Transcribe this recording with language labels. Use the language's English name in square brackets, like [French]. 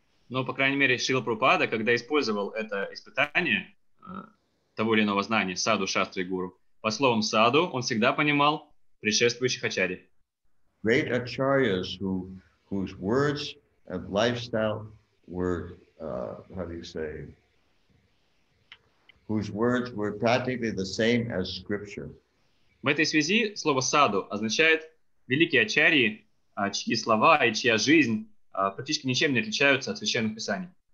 [Russian] Но, по крайней мере, Шрила Прабхупада, когда использовал это испытание того или иного знания, Sadhu, Shastra, и Guru, по словам Sadhu, он всегда понимал предшествующих ачарьи. [English] Great acharyas who, whose words and lifestyle were, how do you say, whose words were practically the same as scripture. [Russian] В этой связи слово саду означает великие ачарьи, чьи слова и чья жизнь практически ничем не отличаются от священных писаний.